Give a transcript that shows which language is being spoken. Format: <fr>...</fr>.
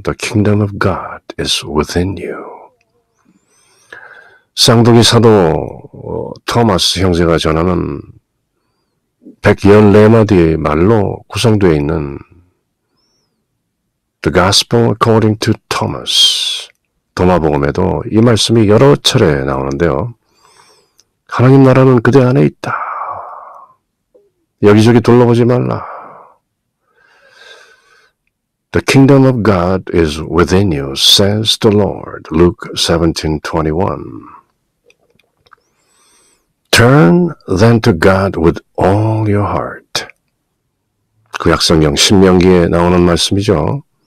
<en>The kingdom of God is within you.</en> <ko>쌍둥이 사도 토마스 형제가 전하는 114마디의 말로 구성되어 있는 The Gospel According to Thomas. 도마복음에도 이 말씀이 여러 차례 나오는데요. 하나님 나라는 그대 안에 있다. 여기저기 둘러보지 말라.</ko> <en>The kingdom of God is within you, says the Lord. Luke 17:21. Turn then to God with all your heart.</en> <ko>구약성경 신명기에 나오는 말씀이죠.</ko>